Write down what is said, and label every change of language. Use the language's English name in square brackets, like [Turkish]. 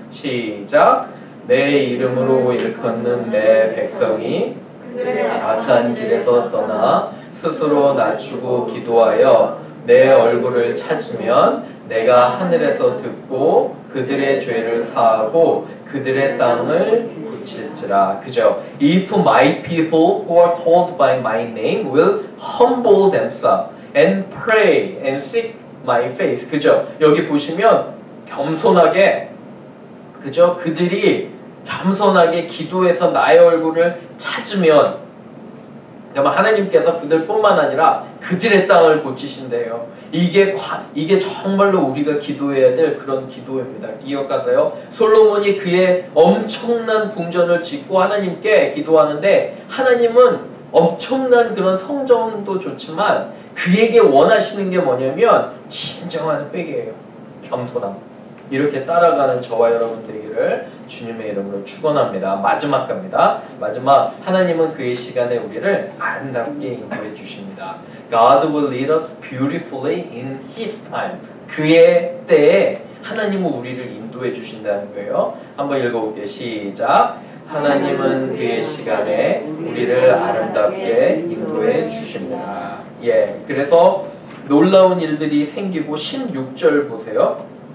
[Korean] 시작! 내 이름으로 일컫는 내 백성이 악한 길에서 떠나 스스로 낮추고 기도하여 내 얼굴을 찾으면 내가 하늘에서 듣고 그들의 죄를 사하고 그들의 땅을 고칠지라. 그죠? [English] If my people who are called by my name will humble themselves and pray and seek my face. [Korean] 그죠? 여기 보시면 겸손하게 그죠? 그들이 겸손하게 기도해서 나의 얼굴을 찾으면 정말 하나님께서 그들뿐만 아니라 그들의 땅을 고치신대요. 이게 정말로 우리가 기도해야 될 그런 기도입니다. 기억하세요. 솔로몬이 그의 엄청난 궁전을 짓고 하나님께 기도하는데 하나님은 엄청난 그런 성전도 좋지만 그에게 원하시는 게 뭐냐면 진정한 회개예요. 겸손함. 이렇게 따라가는 저와 여러분들에게를 주님의 이름으로 축원합니다. 마지막 갑니다. 마지막 하나님은 그의 시간에 우리를 아름답게 인도해 주십니다. [English] God will lead us beautifully in His time. [Korean] 그의 때에 하나님은 우리를 인도해 주신다는 거예요. 한번 읽어볼게요. 시작. 하나님은 그의 시간에 우리를 아름답게 인도해 주십니다. 예, 그래서 놀라운 일들이 생기고 16절 보세요.